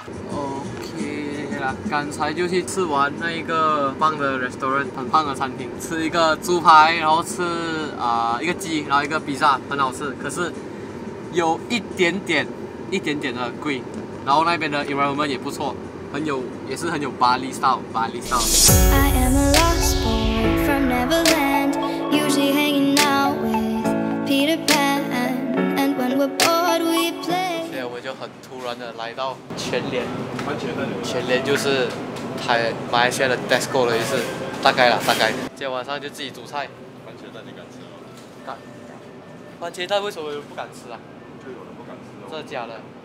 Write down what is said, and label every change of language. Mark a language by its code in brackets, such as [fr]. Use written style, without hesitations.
[zh] OK， 刚才就去吃完那一个棒的 restaurant， 很棒的餐厅，吃一个猪排，然后吃一个鸡，然后一个披萨，很好吃，可是有一点点、一点点的贵，然后那边的 environment 也不错。很有，也是很有巴黎 style， 巴黎 style。 [en] I am a lost boy from Neverland, usually hanging out with Peter Pan, and when we're bored, we play. [zh] 现在我就很突然的来到全联，全联就是台马来西亚的 Tesco 的意思，大概了，大概。今天晚上就自己煮菜。番茄蛋你敢吃吗？敢。番茄蛋为什么不敢吃啊？就有人不敢吃。真的假的？